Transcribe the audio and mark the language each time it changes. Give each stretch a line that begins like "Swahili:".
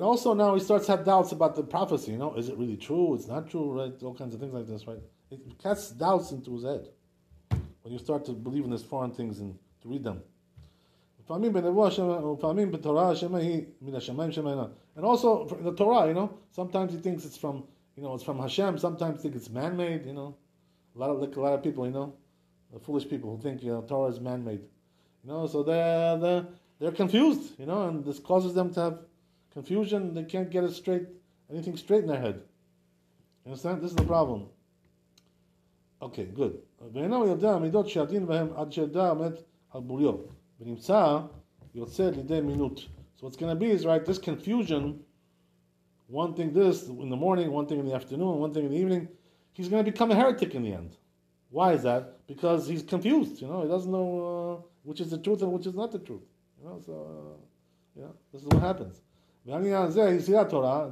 English: Also now he starts to have doubts about the prophecy, you know, is it really true, it's not true, right? All kinds of things like this, right? It casts doubts into his head when you start to believe in these foreign things and to read them.
Hebrew: ופעמים בנבואה שמה, ופעמים בתורה שמה היא מן השמיים שמה אינה.
English: And also in the Torah, you know, sometimes he thinks it's from Hashem, sometimes he thinks it's man-made, you know, like a lot of people, you know, the foolish people who think, you know, Torah is man-made. You know, so they're confused, you know, and this causes them to have confusion. They can't get anything straight in their head. You understand? This is the problem. Okay, good.
Hebrew: ואינו יודע המידות שהדין בהם עד שידע עומד על בוריו. ונמצא יוצא לידי מינות.
English: So what's going to be is, right, this confusion, one thing this in the morning, one thing in the afternoon, one thing in the evening, he's going to become a heretic in the end. Why is that? Because he's confused, you know. He doesn't know which is the truth and which is not the truth. You know, so, yeah, this is what happens. You see that Torah?